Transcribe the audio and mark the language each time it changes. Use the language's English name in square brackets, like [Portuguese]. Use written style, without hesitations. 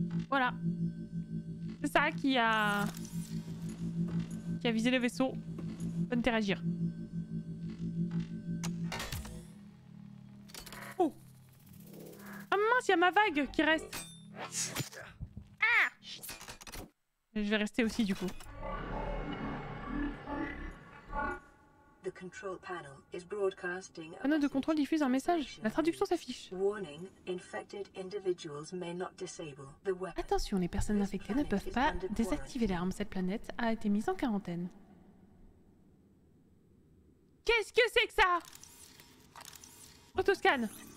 [French] Voilà. C'est ça qui a... qui a visé le vaisseau. Bonne interagir. Oh. Ah mince, il y a ma vague qui reste. Ah. Je vais rester aussi du coup. [English] The control panel is broadcasting. [French] Panneau de contrôle diffuse un message. La traduction s'affiche. [English] Warning, infected individuals may not disable the weapon. [French] Attention, les personnes infectées ne peuvent pas désactiver l'arme. Cette planète a été mise en quarantaine. Qu'est-ce que c'est que ça? Autoscan.